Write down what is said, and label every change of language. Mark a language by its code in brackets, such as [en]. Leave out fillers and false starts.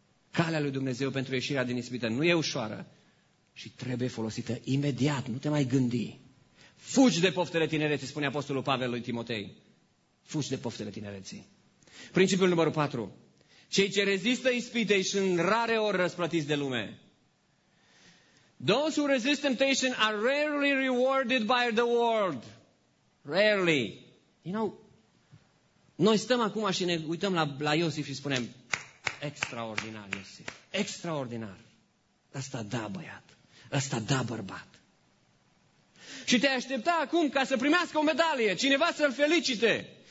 [ro] Calea lui Dumnezeu pentru ieșirea din ispită nu e ușoară și trebuie folosită imediat. Nu te mai gândi. Fugi de poftele tinereții, spune Apostolul Pavel lui Timotei. Fugi de poftele tinereții. Principiul numărul 4. Cei ce rezistă ispitei și în rare ori răsplătiți de lume. [en] Those who resist temptation are rarely rewarded by the world. Rarely. You know, [ro] noi stăm acum și ne uităm la Iosif și spunem, extraordinar, Iosif, extraordinar. Ăsta da, băiat. Ăsta da, bărbat. Și te aștepta acum ca să primească o medalie, cineva să-l felicite.